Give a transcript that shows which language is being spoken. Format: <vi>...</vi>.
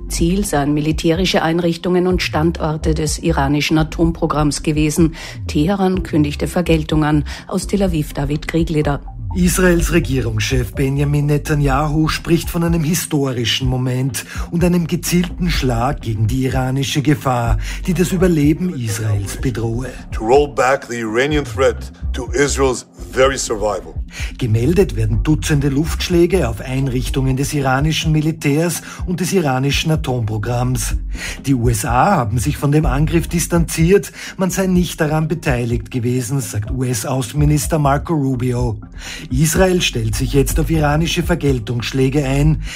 <de>Ziel seien militärische Einrichtungen und Standorte des iranischen Atomprogramms gewesen. Teheran kündigte Vergeltung an. Aus Tel Aviv David Kriegleder. Israels Regierungschef Benjamin Netanyahu spricht von einem historischen Moment und einem gezielten Schlag gegen die iranische Gefahr, die das Überleben Israels bedrohe.</de> <en>To roll back the Iranian threat to Israel's very survival.</en> <de>Gemeldet werden Dutzende Luftschläge auf Einrichtungen des iranischen Militärs und des iranischen Atomprogramms. Die USA haben sich von dem Angriff distanziert, man sei nicht daran beteiligt gewesen, sagt US-Außenminister Marco Rubio. Israel stellt sich jetzt auf iranische Vergeltungsschläge ein.</de>